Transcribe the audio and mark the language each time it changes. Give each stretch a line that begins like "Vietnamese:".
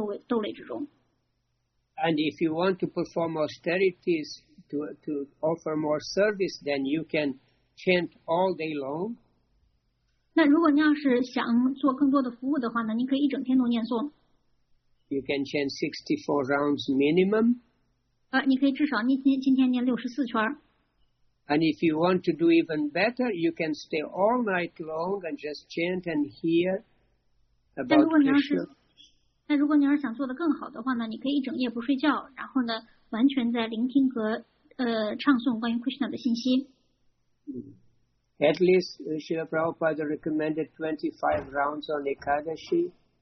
Chinese: 因为呢，在艾卡达西这一天吃五谷和豆类是非常危险的，因为所有的这些罪恶的这些活动全部都藏身在了五谷和豆类之中。And
English: if you want to perform austerities to offer more service, then you can chant all day long.
Chinese: 那如果你要是想做更多的服务的话呢，你可以一整天都念诵。You
English: can chant 64 rounds minimum.
Chinese: 你可以至少念今天念64圈。
English: And if you want to do even better, you can stay all night long and just chant and hear about Krishna. At least Srila Prabhupada recommended 25 rounds on Ekadashi.